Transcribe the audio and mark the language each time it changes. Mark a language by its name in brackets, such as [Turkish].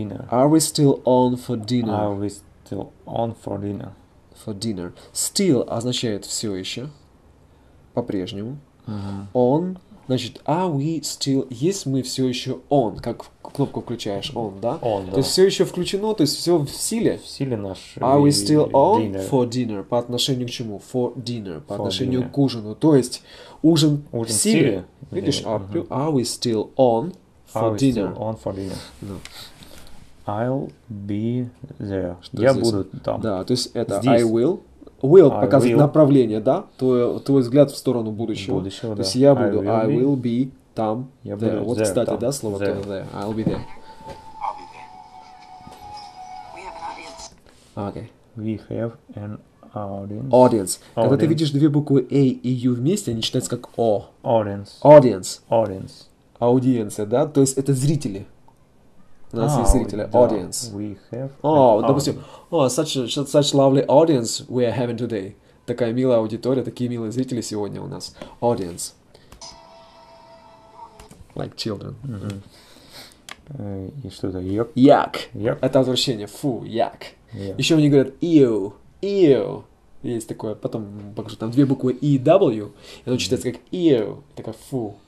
[English] Are we still on for dinner? Are we still on for dinner? For dinner. [Russian] Still означает все еще. По-прежнему. Uh-huh. [English] On. [Russian] Значит, are we still, есть мы все еще on, как кнопку включаешь on, да? [English] On, [Russian] то да. То есть все еще включено, то есть все в силе. В силе наш. [English] Are we still on dinner. For dinner? [Russian] По отношению к чему? [English] For dinner. [Russian] По for отношению dinner. К ужину. То есть ужин в силе. Видишь? Uh-huh. [English] Are we still on for are dinner? Are we still on for dinner? No. I'll be there. [Russian] Что я здесь? Буду там. Да, то есть это здесь. [English] I will. Will I показывает will. [Russian] Направление, да? Твой взгляд в сторону будущего. Будущего, то да. есть я буду. [English] I will be [Russian] там. [English] There. [Russian] Вот, there, кстати, там. Да, слово there. [English] There. I'll be there. Okay. We have an audience. Audience. [Russian] Когда audience. Ты видишь две буквы A и U вместе, они читаются как O. [English] Audience. Audience. Audience. [Russian] Аудиенция, да? То есть это зрители. У нас есть зрители. Да. Audience. [English] We have an audience. [Russian] Допустим, [English] such lovely audience we are having today. [Russian] Такая милая аудитория, такие милые зрители сегодня у нас. [English] Audience. Like children. [Russian] Mm-hmm. И что это? Йок? [English] Yuck. Yuck. [Russian] Это отвращение. Фу, yuck. Yeah. Еще они говорят ew, ew. Есть такое, потом покажу, там две буквы E, W, и оно читается как ew. Такая фу.